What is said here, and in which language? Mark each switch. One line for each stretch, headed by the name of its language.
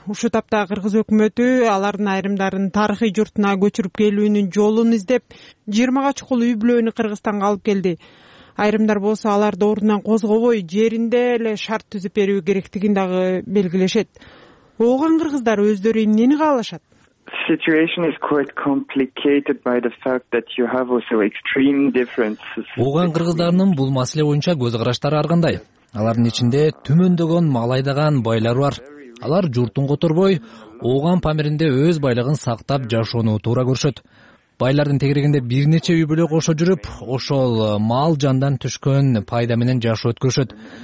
Kyrgyz: Ушул тапта кыргыз өкмөтү алардын айрымдарын тарыхый журтуна көчүрүп келүүнүн жолун издеп, 20 чукул үй бүлөнү Кыргызстанга алып келди. Айрымдар болсо аларды ордунан козгобой, жеринде эле шарт түзүп берүү керектигин дагы белгилешет. Ооган кыргыздар өздөрү эмнени каалашат?
English: Situation is quite complicated by the fact that you have also extreme differences.
Kyrgyz: Ооган кыргыздарынын бул маселе боюнча көз караштары ар кандай. Алардын ичинде түмөндөгөн малайдаган байлар бар. Алар журтун которбой, ооган памиринде өз байлыгын сактап жашоону туура көрүшөт. Байлардын тегерегинде бир нече үй бүлө кошо жүрүп, ошол мал жандан түшкөн пайда менен жашоо өткөрүшөт.